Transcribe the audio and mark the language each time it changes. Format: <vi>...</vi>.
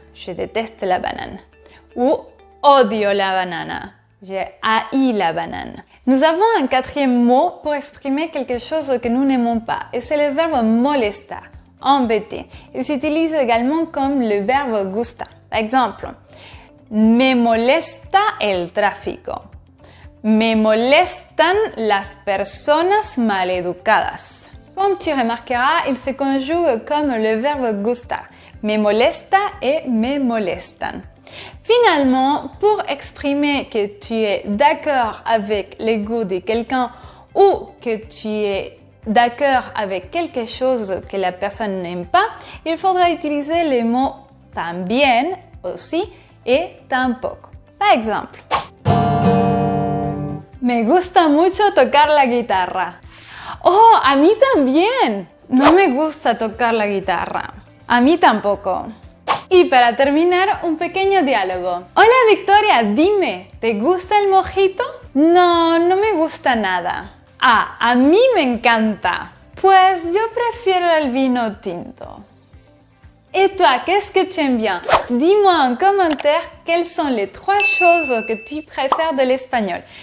<fr>Je déteste la banane.</fr> <es>Ou odio la banana.</es> <fr>Je haïs la banane. Nous avons un quatrième mot pour exprimer quelque chose que nous n'aimons pas. Et c'est le verbe molestar, embêter. Il s'utilise également comme le verbe gustar. Par exemple,</fr> <es>me molesta el tráfico. Me molestan las personas maleducadas.</es> <fr>Comme tu remarqueras, il se conjugue comme le verbe gustar.</fr> <es>Me molesta et me molestan.</es> <fr>Finalement, pour exprimer que tu es d'accord avec le goût de quelqu'un ou que tu es d'accord avec quelque chose que la personne n'aime pas, il faudra utiliser les mots también aussi et tampoco. Par exemple,</fr> <es>me gusta mucho tocar la guitarra. Oh, a mí también. No me gusta tocar la guitarra. A mí tampoco. Y para terminar, un pequeño diálogo. Hola Victoria, dime, ¿te gusta el mojito? No, no me gusta nada. Ah, a mí me encanta. Pues yo prefiero el vino tinto.</es> <fr>Et toi, qu'est-ce que tu aimes bien? Dis-moi en commentaire quelles sont les trois choses que tu préfères de l'espagnol.</fr>